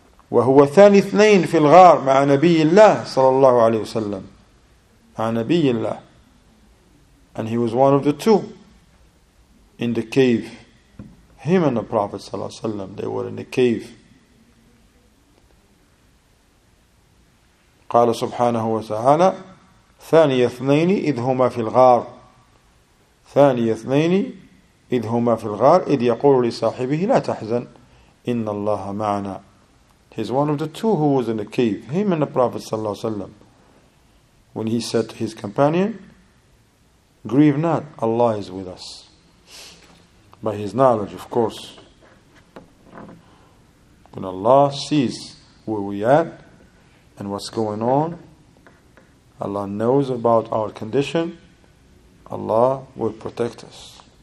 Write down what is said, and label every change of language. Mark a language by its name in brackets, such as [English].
[Arabic] وَهُوَ ثَانِ اثْنَيْنِ فِي الْغَارِ مَعَ نَبِيِّ اللَّهِ صَلَى اللَّهُ عَلَيْهُ وَسَلَّمْ مَعَ نَبِيِّ اللَّهِ. [English] And he was one of the two in the cave. Him and the Prophet sallallahu alaihi wasallam, they were in the cave. [Arabic] قال سبحانه وتعالى ثاني اثنين إذ هما في الغار ثاني اثنين إذ هما في الغار إذ يقول لصاحبه لا تحزن إن الله معنا. [English] He's one of the two who was in the cave, him and the Prophet sallallahu alaihi wasallam. When he said to his companion, grieve not, Allah is with us. By his knowledge, of course. When Allah sees where we at and what's going on, Allah knows about our condition, Allah will protect us.